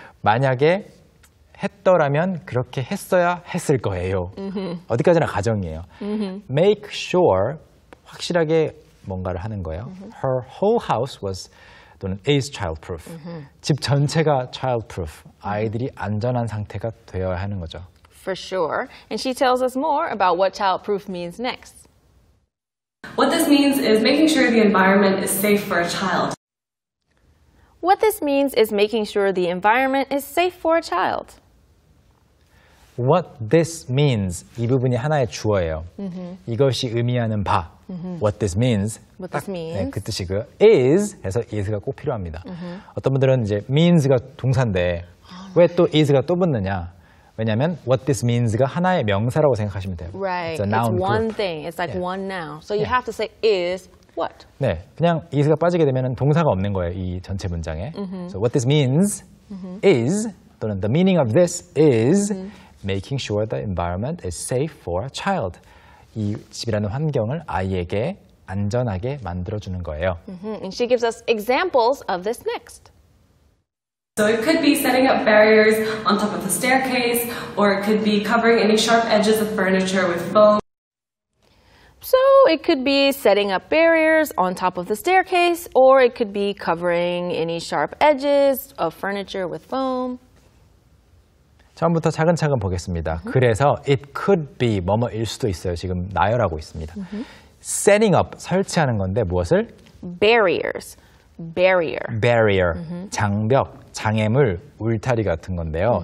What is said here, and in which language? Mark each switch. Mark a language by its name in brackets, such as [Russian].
[Korean] 만약에 했더라면 그렇게 했어야 했을 거예요. [English] Mm-hmm. [Korean] 어디까지나 가정이에요. [English] Mm-hmm. Make sure [Korean] 확실하게 뭔가를 하는 거예요. Mm-hmm. [English] Her whole house was [Korean] 또는 [English] is childproof. Mm-hmm. [Korean] 집 전체가 childproof. 아이들이 안전한 상태가 되어야 하는 거죠. [English] For sure. And she tells us more about what childproof means next. What this means is making sure the environment is safe for a child. What this means is making sure the environment is safe for a child. What this means, [Korean] 이 부분이 하나의 주어예요. [English] Mm-hmm. [Korean] 이것이 의미하는 바, [English] mm-hmm. what this means, what [Korean] 딱, [English] this means. [Korean] 네, 그 뜻이 그 is, 해서 is가 꼭 필요합니다. [English] Mm-hmm. [Korean] 어떤 분들은 이제 means가 동사인데 oh, 왜 또 is가 또 붙느냐? 왜냐하면 what this means가 하나의 명사라고 생각하시면 돼요. [English] Right, it's, a noun it's one group. Thing, it's like yeah. one noun. So you yeah. have to say is. What? [Korean] 네, 그냥 is가 빠지게 되면 동사가 없는 거예요, 이 전체 문장에. [English] Mm-hmm. So what this means mm-hmm. is, [Korean] 또는 [English] the meaning of this is mm-hmm. making sure the environment is safe for a child. [Korean] 이 집이라는 환경을 아이에게 안전하게 만들어주는 거예요. [English] Mm-hmm. And she gives us examples of this next. So it could be setting up barriers on top of the staircase, or it could be covering any sharp edges of furniture with foam. So it could be setting up barriers on top of the staircase, or it could be covering any sharp edges of furniture with foam. [Korean] 처음부터 차근차근 보겠습니다. Mm-hmm. 그래서 [English] it could be [Korean] 뭐뭐일 수도 있어요. 지금 나열하고 있습니다. Mm-hmm. [English] Setting up, [Korean] 설치하는 건데 무엇을? [English] Barriers. Barrier. Barrier. Mm-hmm. [Korean] 장벽, 장애물, 울타리 같은 건데요.